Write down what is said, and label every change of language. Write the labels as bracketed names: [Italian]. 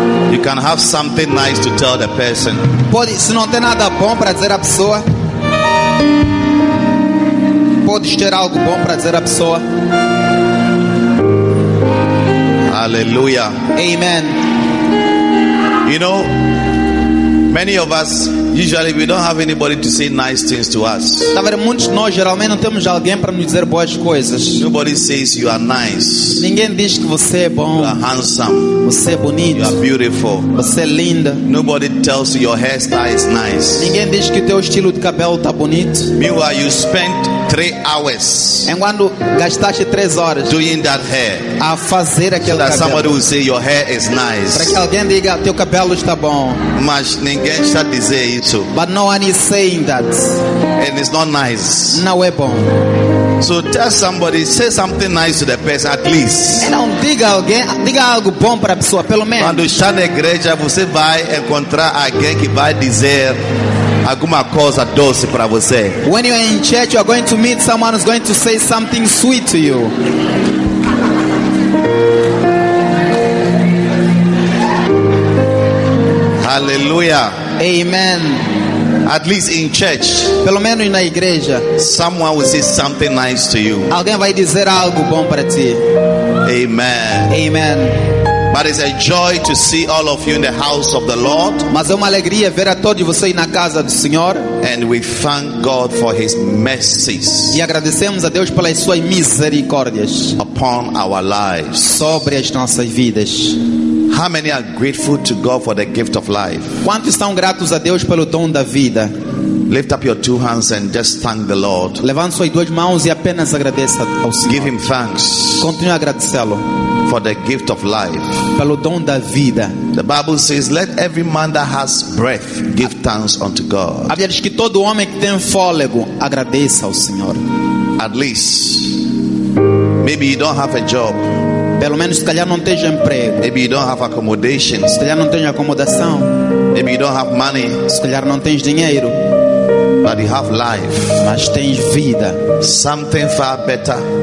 [English] You can have something nice to tell the person. [Portuguese] Pode, se não tem nada bom para dizer à pessoa. Podes ter algo bom para dizer à pessoa. Aleluia. [English] Amen. You know, many of us usually we don't have anybody to say nice things to us. [Portuguese] Na verdade, muitos de nós geralmente não temos alguém para nos dizer boas coisas. [English] Nobody says you are nice. [Portuguese] Ninguém diz que você é bom. [English] You are handsome. [Portuguese] Você é bonito. [English] You are beautiful. [Portuguese] Você é linda. [English] Nobody tells you your hairstyle is nice. [Portuguese] Ninguém diz que o teu estilo de cabelo está bonito. [English] Meanwhile, you spent 3 hours. [Portuguese] Enquanto gastaste 3 horas. [English] Doing that hair. [Portuguese] A fazer aquele cabelo. [English] So that somebody will say your hair is nice. [Portuguese] Para que alguém diga teu cabelo está bom. Mas ninguém está dizendo. [English] But no one is saying that. And it's not nice. [Portuguese] Não é bom. [English] So tell somebody, say something nice to the person at least. [Portuguese] Então diga alguém, diga algo bom para a pessoa pelo menos. Quando está na igreja, você vai encontrar alguém que vai dizer alguma coisa doce para você. [English] When you are in church, you are going to meet someone who's going to say something sweet to you. Hallelujah. Amen. At least in church. [Portuguese] Pelo menos na igreja. [English] Someone will say something nice to you. [Portuguese] Alguém vai dizer algo bom para ti. [English] Amen. Amen. But it's a joy to see all of you in the house of the Lord. [Portuguese] Mas é uma alegria ver a todos vocês na casa do Senhor. [English] And we thank God for His mercies. [Portuguese] E agradecemos a Deus pelas suas misericórdias. [English] Upon our lives. [Portuguese] Sobre as nossas vidas. [English] How many are grateful to God for the gift of life? [Portuguese] Quantos estão gratos a Deus pelo dom da vida? [English] Lift up your 2 hands and just thank the Lord. [Portuguese] Levante suas duas mãos e apenas agradeça ao Senhor. [English] Give Him thanks. [Portuguese] Continue a agradecê-lo. [English] For the gift of life. [Portuguese] Pelo dom da vida. [English] The Bible says, "Let every man that has breath give thanks unto God." [Portuguese] A Bíblia diz que todo homem que tem fôlego agradeça ao Senhor. [English] At least, maybe you don't have a job. [Portuguese] Pelo menos se calhar não tenha emprego. [English] Maybe you don't have accommodation. [Portuguese] Se calhar não tenha acomodação. [English] Maybe you don't have money. [Portuguese] Se calhar não tens dinheiro. [English] But you have life. [Portuguese] Mas tens vida. [English] Something far better.